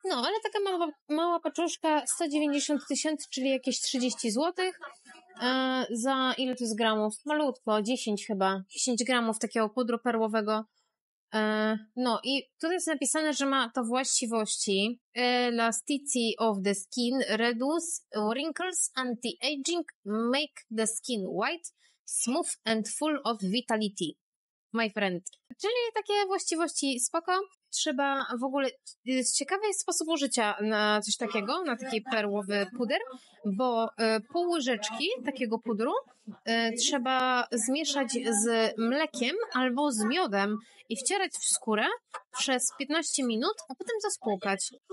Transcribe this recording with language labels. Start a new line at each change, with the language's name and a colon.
Polish: No, ale taka mała paczuszka, 190 tysięcy, czyli jakieś 30 zł. Za ile to jest gramów? Malutko, 10 chyba. 10 gramów takiego pudru perłowego. No i tutaj jest napisane, że ma to właściwości.
English: Elasticity of the skin, reduce wrinkles, anti-aging, make the skin white, smooth and full of vitality. My friend.
Polish: Czyli takie właściwości spoko. Trzeba w ogóle, jest ciekawy sposób użycia na coś takiego, na taki perłowy puder, bo pół łyżeczki takiego pudru trzeba zmieszać z mlekiem albo z miodem i wcierać w skórę przez 15 minut, a potem zaspłukać.